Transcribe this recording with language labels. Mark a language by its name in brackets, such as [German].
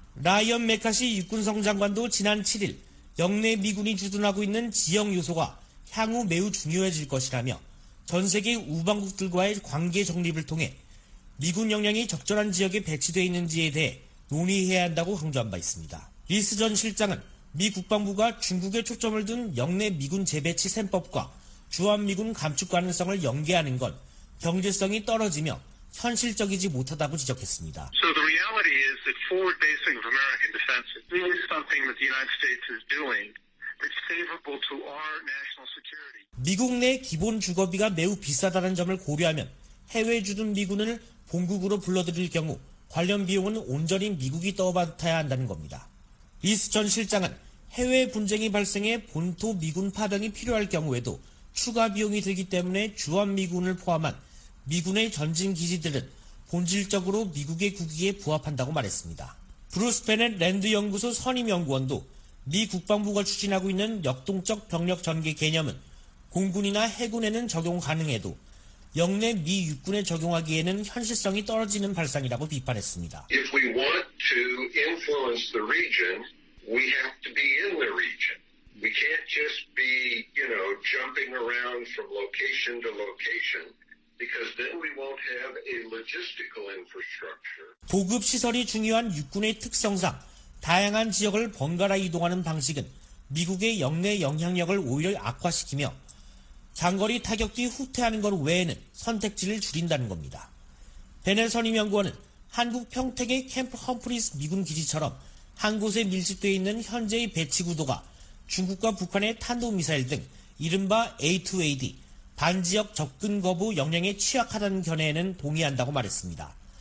[Korean] 라이언 메카시 육군성장관도 지난 7일 영내 미군이 주둔하고 있는 지형 요소가 향후 매우 중요해질 것이라며 전 세계 우방국들과의 관계 정립을 통해 미군 역량이 적절한 지역에 배치되어 있는지에 대해 논의해야 한다고 강조한 바 있습니다. 리스 전 실장은 미 국방부가 중국에 초점을 둔 영내 미군 재배치 셈법과 주한미군 감축 가능성을 연계하는 건 경제성이 떨어지며 현실적이지 못하다고 지적했습니다. [English] So the reality is that forward basing of American defense is something that the United States is doing that's favorable to our national security. [Korean] 미국 내 기본 주거비가 매우 비싸다는 점을 고려하면 해외 주둔 미군을 본국으로 불러들일 경우 관련 비용은 온전히 미국이 떠받아야 한다는 겁니다. 리스 전 실장은 해외 분쟁이 발생해 본토 미군 파병이 필요할 경우에도 추가 비용이 들기 때문에 주한미군을 포함한 미군의 전진기지들은 본질적으로 미국의 국익에 부합한다고 말했습니다. 브루스 베넷 랜드연구소 선임연구원도 미 국방부가 추진하고 있는 역동적 병력 전개 개념은 공군이나 해군에는 적용 가능해도 영내 미 육군에 적용하기에는 현실성이 떨어지는 발상이라고 비판했습니다. [English] If we want to influence the region, we have to be in the region. We can't just be, you know, jumping around from location to location because then we won't have a logistical infrastructure. [Korean] 보급 시설이 중요한 육군의 특성상 다양한 지역을 번갈아 이동하는 방식은 미국의 영내 영향력을 오히려 악화시키며 장거리 타격 뒤 후퇴하는 것 외에는 선택지를 줄인다는 겁니다. 베넷 선임연구원은 한국 평택의 캠프 험프리스 미군 기지처럼 한 곳에 밀집되어 있는 현재의 배치 구도가 중국과 북한의 탄도미사일 등 이른바 A2AD, 반지역 접근 거부 역량에 취약하다는 견해에는 동의한다고 말했습니다.